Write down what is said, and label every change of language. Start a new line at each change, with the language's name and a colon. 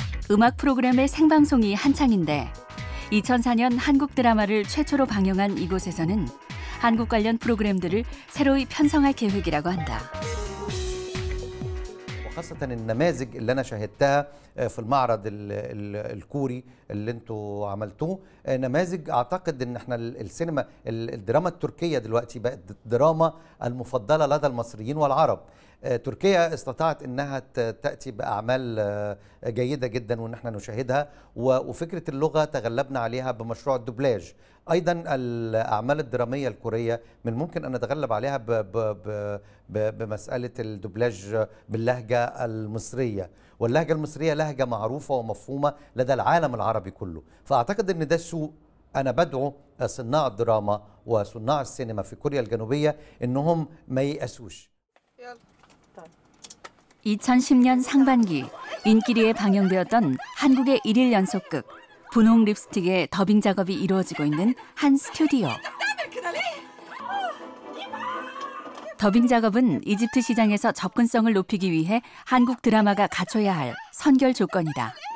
Korean: 음악 프로그램의 생방송이 한창인데 2004년 한국 드라마를 최초로 방영한 이곳에서는 한국 관련 프로그램들을 새로이 편성할 계획이라고 한다.
Arabic: خاصة النماذج اللي أنا شاهدتها في المعرض الكوري اللي أنتوا عملتوه نماذج أعتقد إن إحنا السينما الدراما التركية دلوقتي بقت الدراما المفضلة لدى المصريين والعرب تركيا استطاعت إنها تأتي بأعمال جيدة جدا وإن إحنا نشاهدها وفكرة اللغة تغلبنا عليها بمشروع الدوبلاج أيضا الأعمال الدرامية الكورية من ممكن أن نتغلب عليها بمسألة الدوبلاج باللهجة المصرية واللهجة المصرية لهجة معروفة ومفهومة لدى العالم العربي كله فأعتقد أن ده سوء أنا بدعو صناع الدراما وصناع السينما في كوريا الجنوبية أنهم ما ييأسوش
Korean: 2010년 상반기 인기리에 방영되었던 한국의 1일 연속극 분홍 립스틱의 더빙 작업이 이루어지고 있는 한 스튜디오. 더빙 작업은 이집트 시장에서 접근성을 높이기 위해 한국 드라마가 갖춰야 할 선결 조건이다.